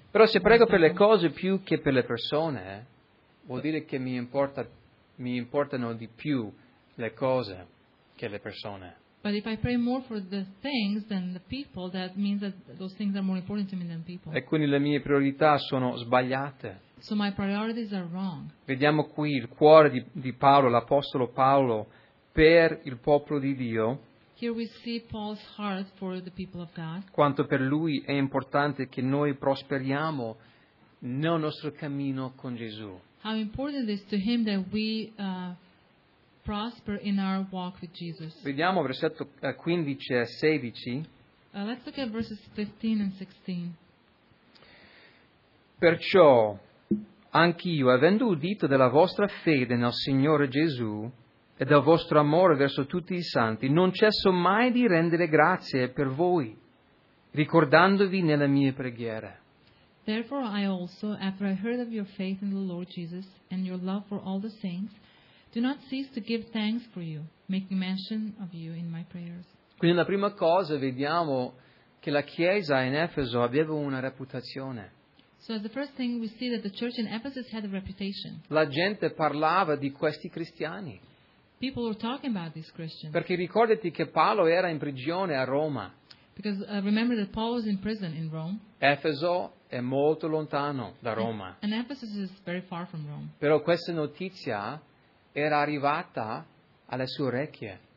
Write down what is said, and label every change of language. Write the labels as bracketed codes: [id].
[it] Però se prego per le cose più che per le persone, vuol dire che mi importano di più le cose che le persone. [en] But if I pray more for the things than the people, that means that those things are more important to me than people. [it] E quindi le mie priorità sono sbagliate. [en] So my priorities are wrong. [it] Vediamo qui il cuore di Paolo, l'apostolo Paolo, per il popolo di Dio. [en] Here we see Paul's heart for the people of God. [it] Quanto per lui è importante che noi prosperiamo nel nostro cammino con Gesù. [en] How important it is to him that we prosper in our walk with Jesus. [it] Vediamo versetto 15 e 16. [en] Let's look at verses 15 and 16. [it] Perciò anch'io, avendo udito della vostra fede nel Signore Gesù e del vostro amore verso tutti i santi, non cesso mai di rendere grazie per voi, ricordandovi nelle mie preghiere. [en] Therefore I also, after I heard of your faith in the Lord Jesus and your love for all the saints, do not cease to give thanks for you, making mention of you in my prayers. [it] Quindi la prima cosa vediamo che la Chiesa in Efeso aveva una reputazione. [en] So the first thing we see that the church in Ephesus had a reputation. [it] La gente parlava di questi cristiani. [en] People were talking about these Christians. [it] Perché ricordati che Paolo era in prigione a Roma. [en] Because remember that Paul was in prison in Rome. [it] Efeso è molto lontano da Roma. [en] And Ephesus is very far from Rome. [it] Però questa notizia era arrivata alle sue orecchie.